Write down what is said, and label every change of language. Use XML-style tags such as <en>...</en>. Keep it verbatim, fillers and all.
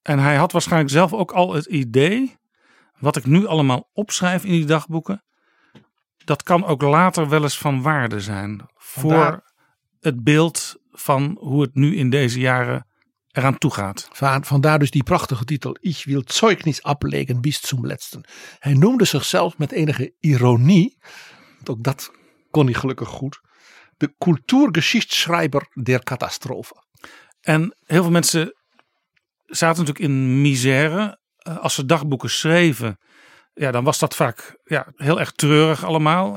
<nl>En hij had waarschijnlijk zelf ook al het idee, wat ik nu allemaal opschrijf in die dagboeken, dat kan ook later wel eens van waarde zijn. Voor Vandaar, het beeld van hoe het nu in deze jaren eraan toe gaat. Vandaar dus die prachtige titel.</nl> <de>Ich will Zeugnis ablegen bis zum letzten.</de> <nl>Hij noemde zichzelf met enige ironie, want ook dat kon hij gelukkig goed, de</nl> <de>Kulturgeschichtsschreiber der Katastrophe.</de> <nl>En heel veel mensen zaten natuurlijk in misère. Als ze dagboeken schreven, ja, dan was dat vaak ja, heel erg treurig allemaal.</nl>